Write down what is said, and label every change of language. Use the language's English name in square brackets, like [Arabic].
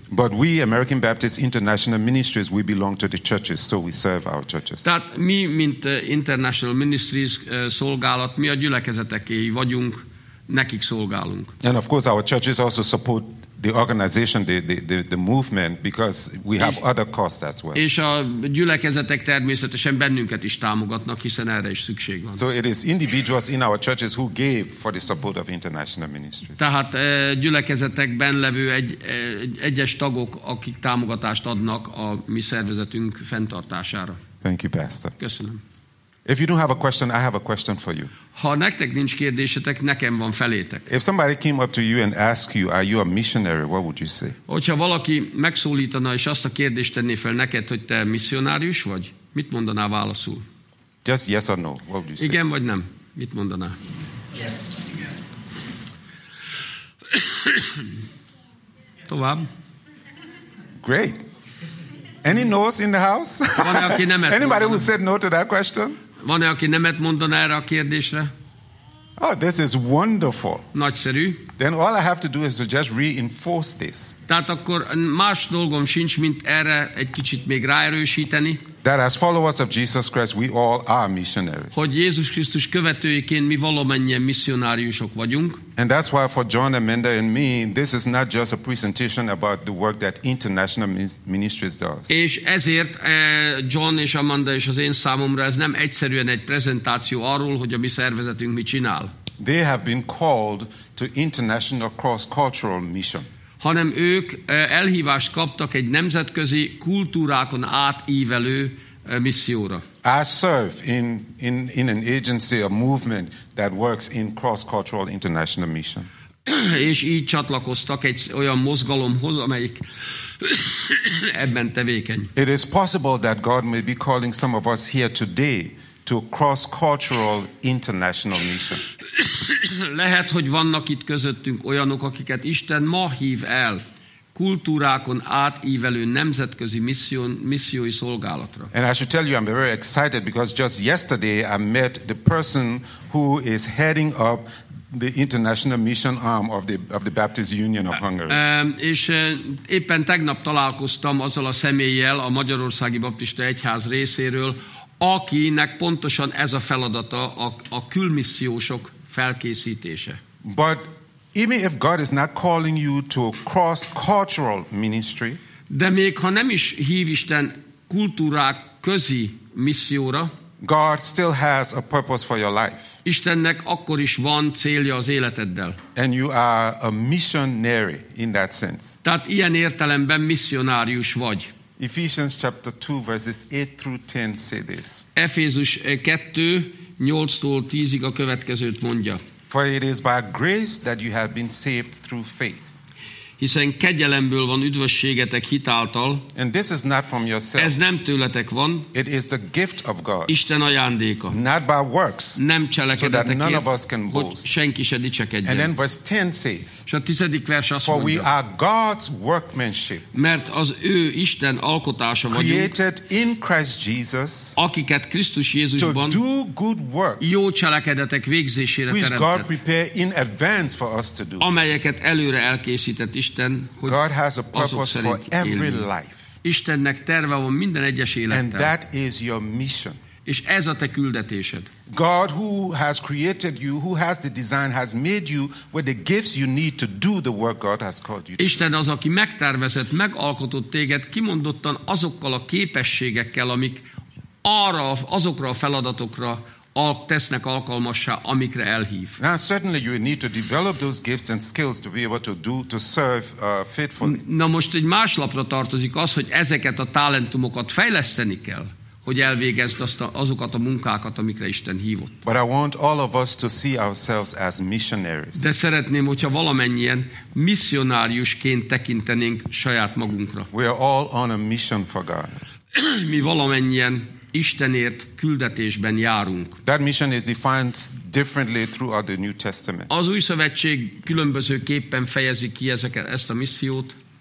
[English] But we American Baptist International Ministries, we belong to the churches, so we serve our churches. [Hungarian] Tehát mi, mint International Ministries szolgálat, mi a gyülekezetekéi vagyunk, nekik szolgálunk. [English] And of course our churches also support the organization, the movement, because we have other costs as well. [Hungarian] És a gyülekezetek természetesen bennünket is támogatnak, hiszen erre is szükség van. [English] So it is individuals in our churches who gave for the support of international ministries. [Hungarian] Tehát gyülekezetekben levő egyes tagok, akik támogatást adnak a mi szervezetünk fenntartására. [English] Thank you, Pastor. [Hungarian] Köszönöm. [English] If you don't have a question, I have a question for you. [Hungarian] Ha nektek nincs kérdésetek, nekem van felétek. [English] If somebody came up to you and asked you, are you a missionary, what would you say? [Hungarian] Hogyha valaki megszólítana és azt a kérdést tenné fel neked, hogy te misszionárius vagy, mit mondaná válaszul? [English] Just yes or no, what would you say? [Hungarian] Igen vagy nem, mit mondaná? [English] Yes. [Hungarian] Tovább. [English] Great. Any no's in the house? [Hungarian] Van-e, aki nemet [English] anybody who said no to that question? [Hungarian] Van-e, aki nemet mondaná erre a kérdésre? [English] Oh, this is wonderful. [Hungarian] Nagyszerű. [English] Then all I have to do is to just reinforce this. [Hungarian] Tehát akkor más dolgom sincs, mint erre egy kicsit még ráerősíteni. [English] That as followers of Jesus Christ, we all are missionaries. [Hungarian] Hogy Jézus Krisztus követőiként mi valamennyien misszionáriusok vagyunk. [English] And that's why for John, Amanda and me, this is not just a presentation about the work that international ministries does. [Hungarian] És ezért John és Amanda és az én számomra ez nem egyszerűen egy prezentáció arról, hogy a mi szervezetünk mit csinál. [English] They have been called to international cross-cultural mission. [Hungarian] Hanem ők elhívást kaptak egy nemzetközi kultúrákon átívelő misszióra. [English] I serve in an agency, a movement that works in cross-cultural international mission. [Hungarian] És így csatlakoztak egy olyan mozgalomhoz, amelyik ebben tevékeny. [English] It is possible that God may be calling some of us here today to cross-cultural international mission. [Hungarian] Lehet, hogy vannak itt közöttünk olyanok, akiket Isten ma hív el kultúrákon átívelő nemzetközi missziói szolgálatra. [English] And I should tell you, I'm very excited because just yesterday I met the person who is heading up the international mission arm of the Baptist Union of Hungary. [Hungarian] És éppen tegnap találkoztam azzal a személlyel a Magyarországi Baptista Egyház részéről, akinek pontosan ez a feladata, a külmissziósok felkészítése. [English] But even if God is not calling you to a cross-cultural ministry, [Hungarian] de még ha nem is hív Isten kultúrák közi misszióra, [English] God still has a purpose for your life. [Hungarian] Istennek akkor is van célja az életeddel. [English] And you are a missionary in that sense. [Hungarian] Tehát ilyen értelemben misszionárius vagy. [English] Ephesians chapter 2 verses 8 through 10 say this. [Hungarian] Efézus 2, 8-tól 10-ig a következőt mondja. [English] For it is by grace that you have been saved through faith. [Hungarian] Hiszen kegyelemből van üdvösségetek hitáltal. [English] And this is not from yourself. [Hungarian] Ez nem tőletek van. [English] It is the gift of God. [Hungarian] Isten ajándéka. [English] Not by works. [Hungarian] Nem cselekedetekért. [English] So that none of us can boast. [Hungarian] Hogy senki se dicsekedjen. [English] And then verse 10 says. [Hungarian] És a 10. vers azt [English] for [Hungarian] mondja. [English] For we are God's workmanship. [Hungarian] Mert az ő Isten alkotása [English] created [Hungarian] vagyunk. [English] Created in Christ Jesus. [Hungarian] Akiket Krisztus Jézusban. [English] To do good works. [Hungarian] Jó cselekedetek végzésére teremtett. [English] Which God prepared in advance for us to do. [Hungarian] Amelyeket előre elkészített Isten, hogy [English] God has a purpose for every life. [Hungarian] Istennek terve van minden egyes élettel. [English] And that is your mission. [Hungarian] És ez a te küldetésed. [English] God who has created you, who has the design, has made you with the gifts you need to do the work God has called you to. [Hungarian] Isten az, aki megtervezett, megalkotott téged kimondottan azokkal a képességekkel, amik arra, azokra a feladatokra tesznek alkalmassá, amikre elhív. [English] Now certainly you need to develop those gifts and skills to be able to do to serve faithfully. [Hungarian] Na most egy más lapra tartozik az, hogy ezeket a talentumokat fejleszteni kell, hogy elvégezd azokat a munkákat, amikre Isten hívott. [English] But I want all of us to see ourselves as missionaries. [Hungarian] De szeretném, hogyha valamennyien missionáriusként tekintenénk saját magunkra. [English] We are all on a mission for God. [Hungarian] Mi valamennyien Istenért küldetésben járunk. [English] That mission is defined differently throughout the New Testament. [Hungarian] Az Új Szövetség különbözőképpen fejezi ki ezt a missziót.